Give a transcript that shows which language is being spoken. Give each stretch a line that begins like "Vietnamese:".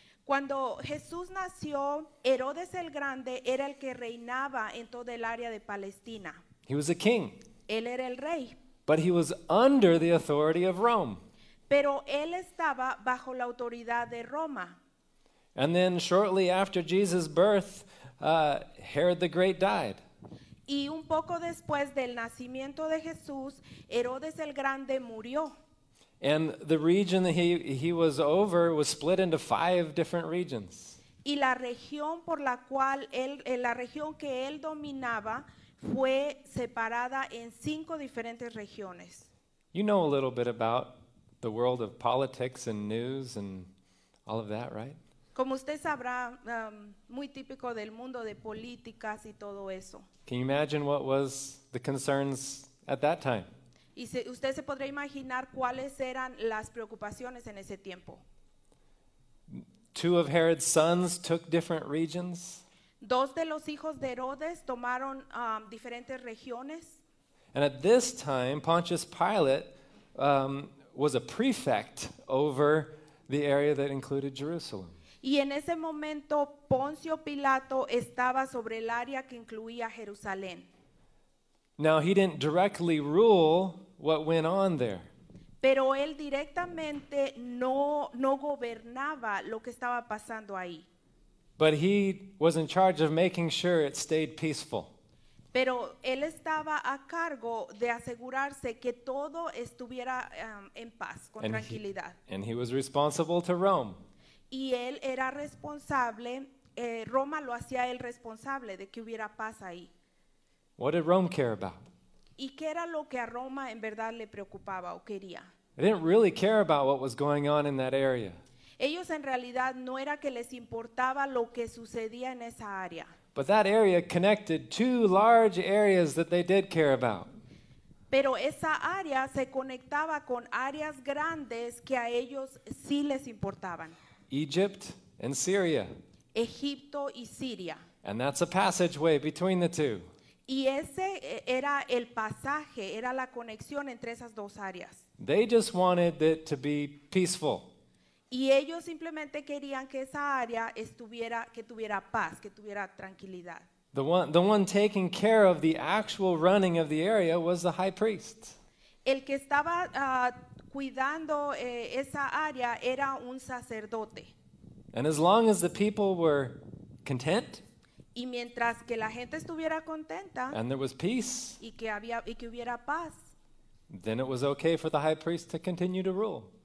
Spanish: Cuando Jesús nació, Herodes el Grande era el que reinaba en toda el área de Palestina.
English: He was a king.
Spanish: Él era el rey.
English: But he was under the authority of Rome.
Spanish: Pero él estaba bajo la autoridad de Roma.
English: And then shortly after Jesus' birth, Herod the Great died.
Spanish: Y un poco después del nacimiento de Jesús, Herodes el Grande murió.
English: And the region that he was over was split into five different regions.
Spanish: Y la región por la cual él, la región que él dominaba, fue separada en cinco diferentes regiones.
English: You know a little bit about the world of politics and news and all of that, right?
Spanish: Como usted sabrá, muy típico del mundo de políticas y todo eso.
English: Can you imagine what was the concerns at that time?
Spanish: Y usted se podría imaginar cuáles eran las preocupaciones en ese tiempo.
English: Two of Herod's sons took different regions.
Spanish: Dos de los hijos de Herodes tomaron diferentes regiones.
English: And at this time, Pontius Pilate was a prefect over the area that included Jerusalem.
Spanish: Y en ese momento, Poncio Pilato estaba sobre el área que incluía Jerusalén.
English: Now, he didn't directly rule what went on there.
Spanish: Pero él directamente no gobernaba lo que estaba pasando ahí.
English: But he was in charge of making sure it stayed peaceful.
Spanish: Pero él estaba a cargo de asegurarse que todo estuviera en paz, con and tranquilidad.
English: And he was responsible to Rome.
Spanish: Y él era responsable, Roma lo hacía él responsable de que hubiera paz ahí.
English: What did Rome care about?
Spanish: ¿Y qué era lo que a Roma en verdad le preocupaba o quería?
English: They didn't really care about what was going on in that area.
Spanish: Ellos en realidad no era que les importaba lo que sucedía en esa área.
English: But that area connected two large areas that they did care about.
Spanish: Pero esa área se conectaba con áreas grandes que a ellos sí les importaban.
English: Egypt and Syria.
Spanish: Egipto y Siria.
English: And that's a passageway between the two.
Spanish: Y ese era el pasaje, era la conexión entre esas dos áreas.
English: They just wanted it to be peaceful.
Spanish: Y ellos simplemente querían que esa área estuviera, que tuviera paz, que tuviera tranquilidad.
English: The one taking care of the actual running of the area was the high priest.
Spanish: El que estaba cuidando esa área era un sacerdote.
English: And as long as the people were content,
Spanish: y mientras que la gente estuviera contenta,
English: and there was peace,
Spanish: y que hubiera paz,
English: then it was okay for the high priest to continue to rule.